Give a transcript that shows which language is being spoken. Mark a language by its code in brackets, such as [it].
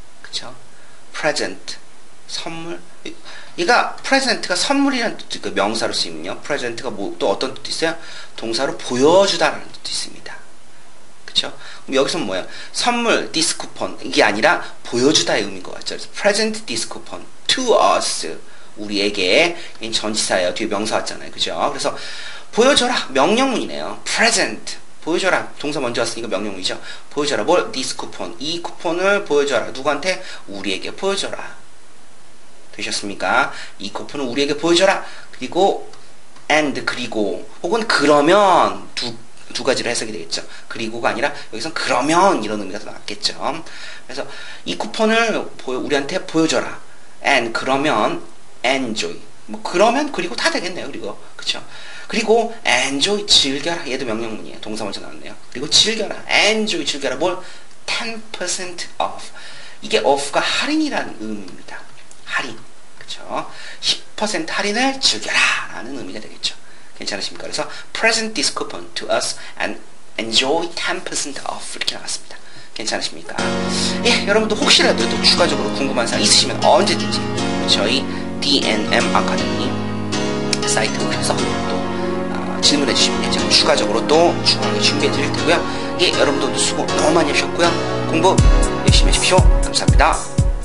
[ko] 그렇죠? present, 선물. 얘가 present가 선물이라는 뜻도 있고 명사로 쓰이면요. present가 뭐, 또 어떤 뜻도 있어요? 동사로 보여주다라는 뜻도 있습니다. 그쵸? 그럼 여기서는 뭐예요? 선물, [en] this coupon, [ko] 이게 아니라 보여주다의 의미인 것 같죠? [en] present this coupon to us, [ko] 우리에게. 얘는 전치사예요. 뒤에 명사 왔잖아요. 그죠? 그래서 보여줘라, 명령문이네요. present, 보여줘라. 동사 먼저 왔으니까 명령문이죠. 보여줘라, 뭘? [en] this coupon, [ko] 이 쿠폰을 보여줘라. 누구한테? 우리에게 보여줘라. 되셨습니까? 이 거푸는 우리에게 보여줘라. 그리고 and 그리고 혹은 그러면 두 가지로 해석이 되겠죠. 그리고가 아니라 여기서 그러면 이런 의미가 더 낫겠죠. 그래서 이 쿠폰을 우리한테 보여줘라. [en] And [ko] 그러면 [en] enjoy. [ko] 뭐 그러면 그리고 다 되겠네요. 그리고 그렇죠. 그리고 enjoy 즐겨라. 얘도 명령문이에요. 동사 먼저 나왔네요. 그리고 즐겨라. enjoy 즐겨라. 뭘 [en] 10% off. [ko] 이게 off가 할인이라는 의미입니다. 할인. 그렇죠. 10% 할인을 즐겨라라는 의미가 되겠죠. 괜찮으십니까? 그래서 [en] present this coupon to us and enjoy 10% off [ko] 이렇게 나왔습니다. 괜찮으십니까? 예, 여러분도 혹시라도 또 추가적으로 궁금한 사항 있으시면 언제든지 저희 DNM 아카데미 사이트 오셔서 또 질문해 주시면 되죠. 추가적으로 또 추가하게 준비해 드릴 테고요. 예, 여러분도 수고 너무 많이 하셨고요. 공부 열심히 하십시오. 감사합니다.